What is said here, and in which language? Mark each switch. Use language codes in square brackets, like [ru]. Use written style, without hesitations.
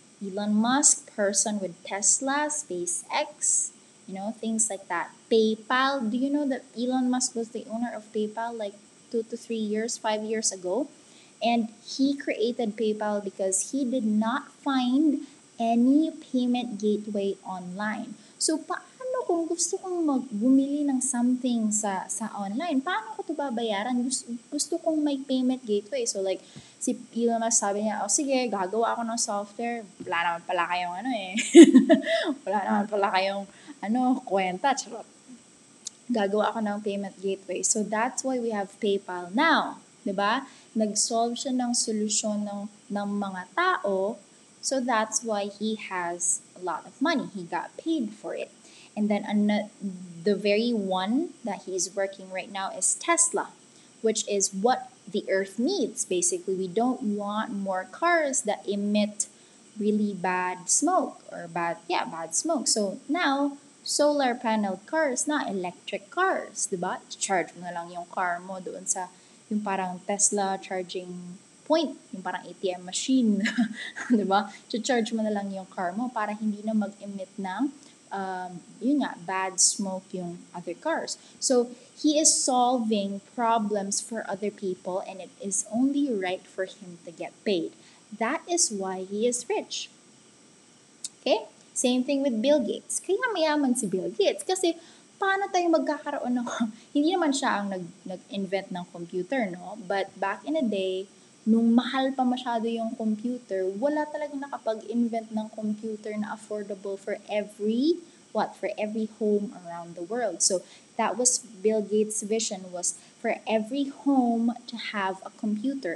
[en] Elon Musk, person with Tesla, SpaceX, you know, things like that. PayPal, do you know that Elon Musk was the owner of PayPal like 5 years ago? And he created PayPal because he did not find any payment gateway online. [tl] So, kung gusto kong bumili ng something sa online, paano ko ito babayaran? Gusto kong may payment gateway. So, like, si Elon Musk sabi niya, oh, sige, gagawa ako ng software. Wala naman pala kayong ano eh. Wala naman pala kayong ano, kwenta. Charot. Gagawa ako ng payment gateway. [en] So, that's why we have PayPal now. [tl] Diba? Nag-solve siya ng solusyon ng mga tao. [en] So, that's why he has a lot of money. He got paid for it. And then the very one that he's working right now is Tesla, which is what the earth needs. Basically, we don't want more cars that emit really bad smoke bad smoke. So now, solar panel cars, not electric cars, diba? [tl] Charge mo na lang yung car mo doon sa yung parang Tesla charging point, yung parang ATM machine, diba? Charge mo na lang yung car mo para hindi na mag-emit ng [en] yun nga, bad smoke yung other cars. So, he is solving problems for other people and it is only right for him to get paid. That is why he is rich. Okay? Same thing with Bill Gates. [tl] Kaya mayaman si Bill Gates kasi paano tayo magkakaroon ng... Hindi naman siya ang nag-invent ng computer, no? [en] But back in the day, [tl] nung mahal pa masyado yung computer, [en] wala talagang nakapag-invent ng computer na affordable for every, what, for every home around the world. So, that was Bill Gates' vision, was for every home to have a computer.